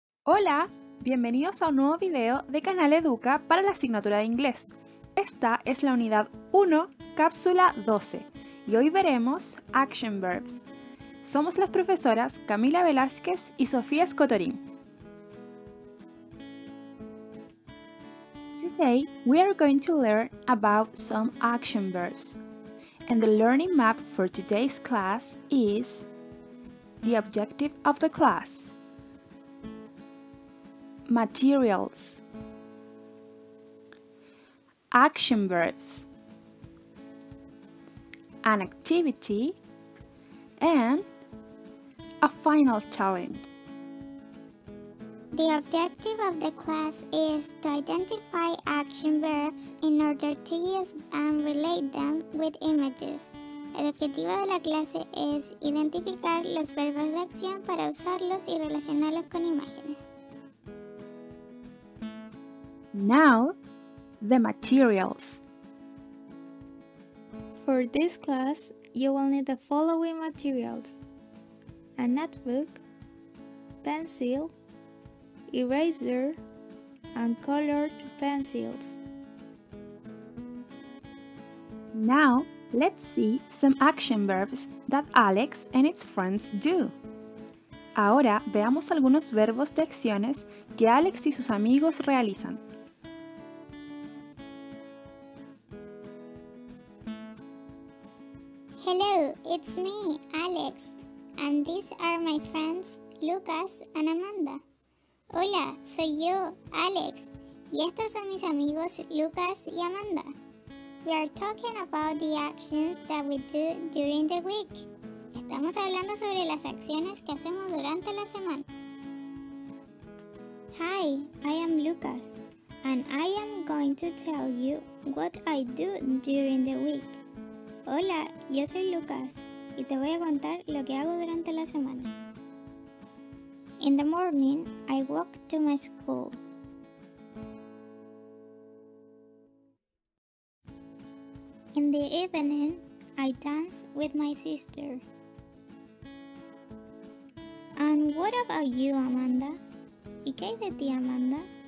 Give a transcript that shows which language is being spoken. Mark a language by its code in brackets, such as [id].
[es] Hola, bienvenidos a un nuevo video de Canal Educa para la asignatura de inglés. Esta es la unidad 1, cápsula 12, y hoy veremos [en] action verbs. [es] Somos las profesoras Camila Velázquez y Sofía Escotorín. [en] Today we are going to learn about some action verbs. And the learning map for today's class is the objective of the class. Materials, action verbs, an activity, and a final challenge. The objective of the class is to identify action verbs in order to use and relate them with images. [es] El objetivo de la clase es identificar los verbos de acción para usarlos y relacionarlos con imágenes. [en] Now, the materials. For this class, you will need the following materials: a notebook, pencil, eraser, and colored pencils. Now, let's see some action verbs that Alex and his friends do. [es] Ahora veamos algunos verbos de acciones que Alex y sus amigos realizan. [en] Hello, it's me, Alex, and these are my friends, Lucas and Amanda. [es] Hola, soy yo, Alex, y estos son mis amigos, Lucas y Amanda. [en] We are talking about the actions that we do during the week. [es] Estamos hablando sobre las acciones que hacemos durante la semana. [en] Hi, I am Lucas, and I am going to tell you what I do during the week. [es] Hola, yo soy Lucas, y te voy a contar lo que hago durante la semana. [en] In the morning, I walk to my school. In the evening, I dance with my sister. And what about you, Amanda? [es] ¿Y qué de ti, Amanda?